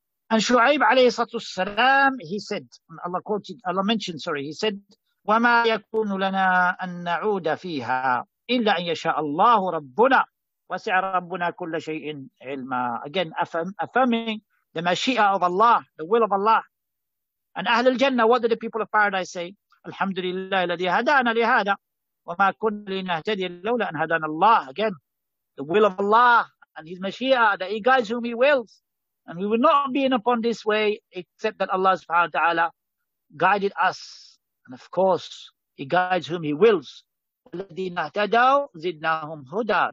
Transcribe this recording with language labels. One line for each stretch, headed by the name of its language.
English: And Shu'aib alayhi salatu salam, he said, Allah mentioned, he said,
Arabic: وَمَا يَكُونُ لَنَا أَن نَعُودَ فِيهَا إِلَّا أَن يَشَاءَ اللَّهُ رَبُّنَا. وسع ربنا كل شيء علما.
English: Again, affirming the mashia of Allah, the will of Allah. And
Arabic: أهل الجنة,
English: what did the people of paradise say?
Arabic: الحمد لله الذي هدانا لهذا وما كنا لنهتدي لولا أن هدانا الله.
English: Again, the will of Allah and his mashia, that he guides whom he wills. And we would not be in upon this way except that Allah subhanahu wa ta'ala guided us. And of course, he guides whom he wills.
Arabic: الَّذِينَ اَهْتَدَوْا زِدْنَاهُمْ هُدَى.